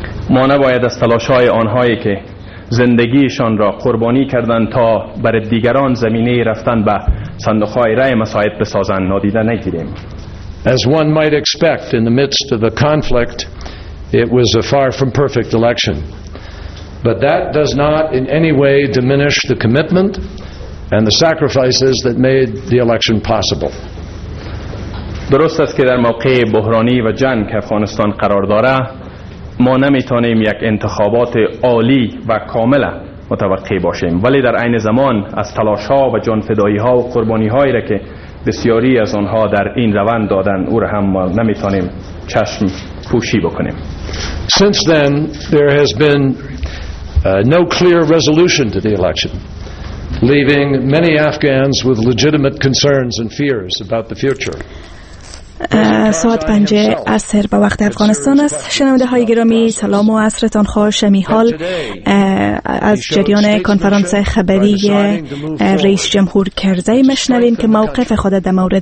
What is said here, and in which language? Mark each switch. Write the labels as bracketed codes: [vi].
[fa] ما نباید از تلاش‌های آنهایی که زندگیشان را قربانی کردند تا بر دیگران زمینه رفتن به صندوق‌های رأی مساعد بسازند نادیده نگیریم. [en] As one might expect in the midst of a conflict, it was a far from perfect election. But that does not in any way diminish the commitment and the sacrifices that made the election possible. [fa] درست است که در موقع بحرانی و جنگ افغانستان قرار داره ما نمیتونیم یک انتخابات عالی و کامل متوقع باشیم، ولی در عین زمان از تلاش ها و جان فدایی ها و قربانی هایی را که بسیاری از آنها در این روند دادن او را هم نمیتونیم چشم پوشی بکنیم. [en] Since then there has been no clear resolution to the election, leaving many Afghans with legitimate concerns and fears about the future. [fa] ساعت 5 عصر به وقت افغانستان است. شنونده های گرامی سلام و عصرتان خوش. امیحال از جریان کنفرانس خبری رئیس جمهور کرزی مشنوین که موقف خود در مورد